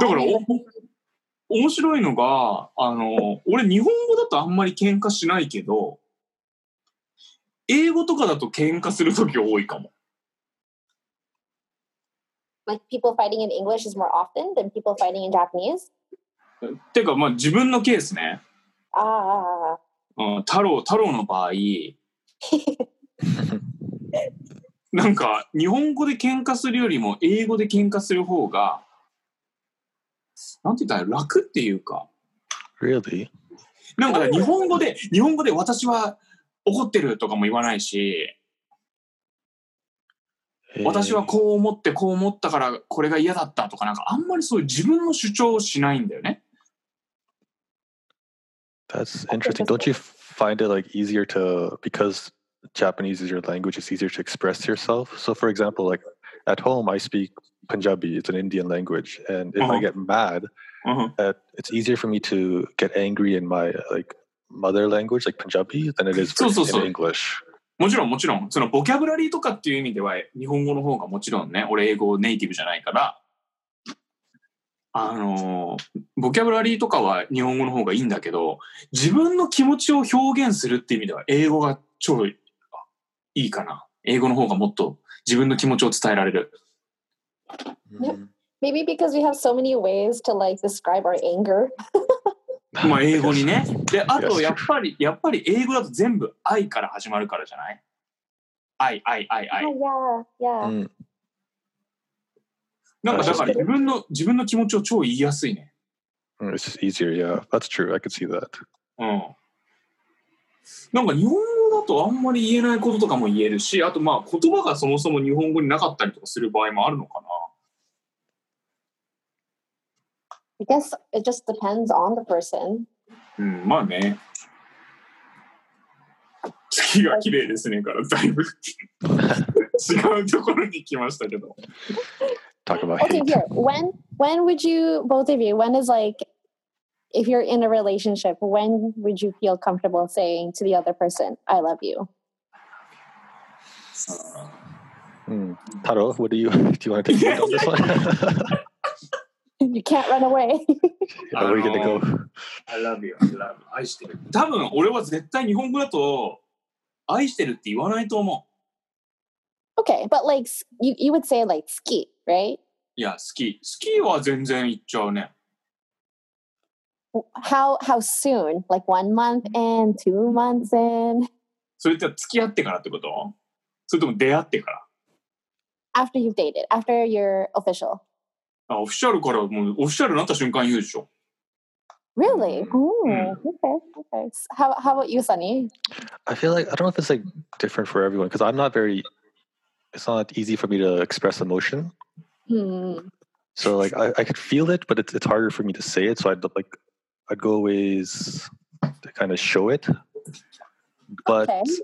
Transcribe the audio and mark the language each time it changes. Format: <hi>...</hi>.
<ja>だから、面白いのが、あの、俺日本語だとあんまり喧嘩しないけど、英語とかだと喧嘩するとき多いかも。</ja> <en>Like people fighting in English is more often than people fighting in Japanese?</en> <ja>てか、まあ自分のケースね。ああ。うん、太郎の場合。なんか、日本語で喧嘩するよりも英語で喧嘩する方が、なんて言ったら楽っていうか。</ja> <en>Really?</en> <ja>なんか日本語で私は、怒ってるとかも言わないし、私はこう思ってこう思ったからこれが嫌だったとか、なんかあんまりそういう自分の主張をしないんだよね。</ja> <en>That's interesting. Don't you find it like easier to, because Japanese is your language, it's easier to express yourself? So for example, like at home I speak Punjabi, it's an Indian language, and if、uh-huh. I get mad、uh-huh. It's easier for me to get angry in my likeMother language like Punjabi than it is for in English.</en> <ja>もちろんもちろん、そのボキャブラリーとかっていう意味では日本語の方がもちろんね、俺英語ネイティブじゃないから、ボキャブラリーとかは日本語の方がいいんだけど、自分の気持ちを表現するっていう意味では英語が超いいかな。英語の方がもっと自分の気持ちを伝えられる。</ja> <en>Maybe because we have so many ways to like describe our anger.</en> <ja>まあ英語にね。で、あとやっぱり英語だと全部愛から始まるからじゃない？愛、愛、愛、愛。</ja> <en>Yeah, yeah.</en> <ja>なんかだから自分の気持ちを超言いやすいね。</ja> <en>It's easier, yeah. That's true. I could see that.</en> <ja>うん。なんか日本語だとあんまり言えないこととかも言えるし、あとまあ言葉がそもそも日本語になかったりとかする場合もあるのかな。</ja> <en>I guess it just depends on the person.</en> <ja>うん、まあね。月が綺麗ですねから、だいぶ違うところに来ましたけど。</ja> <en>Talk about hate. Okay, here. When would you, both of you, when is like, if you're in a relationship, when would you feel comfortable saying to the other person, I love you? Taro, do you want to take on this one? You can't run away. Where are you gonna go? I love you. I love you.</en> <ja>愛してる。多分俺は絶対日本語だと愛してるって言わないと思う。</ja> <en>Okay, but like you would say like 好き, right?</en> <ja>Yeah, 好き。好きは全然言っちゃうね。</ja> <en>How soon? Like 1 month in, 2 months in?</en> <ja>それって付き合ってからってこと？それとも出会ってから？</ja> <en>After you've dated, after you're official.</en> <ja>オフィシャルからもうオフィシャルになった瞬間言うでしょ。</ja> <en>Really? Ooh, okay. How about you, Sunny? I feel like, I don't know if it's like different for everyone, because I'm not very, it's not easy for me to express emotion. Hmm. So like I could feel it, but it's harder for me to say it. So I'd go ways to kind of show it. But okay.</en>